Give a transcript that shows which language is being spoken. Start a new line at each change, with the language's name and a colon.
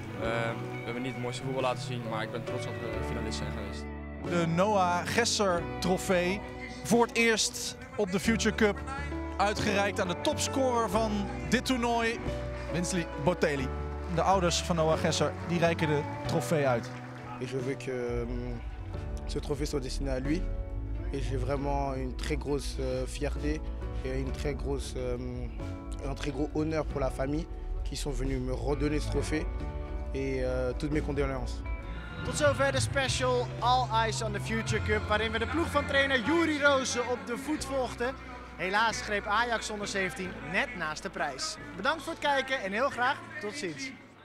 Dutch: We hebben niet het mooiste voetbal laten zien, maar ik ben trots dat we finalist zijn geweest. De Noah Gesser trofee voor het eerst op de Future Cup uitgereikt aan de topscorer van dit toernooi, Winsley Boteli. De ouders van Noah Gesser die reiken de trofee uit. Ik wil dat
French: ce trofee soit destiné à lui et j'ai vraiment une très grosse fierté et une très grosse un très gros honneur pour la famille qui sont venus me redonner ce trophée et toutes mes condoléances.
Dutch: Tot zover de special All Eyes on the Future Cup, waarin we de ploeg van trainer Jurie Rozen op de voet volgden. Helaas greep Ajax onder 17 net naast de prijs. Bedankt voor het kijken en heel graag tot ziens.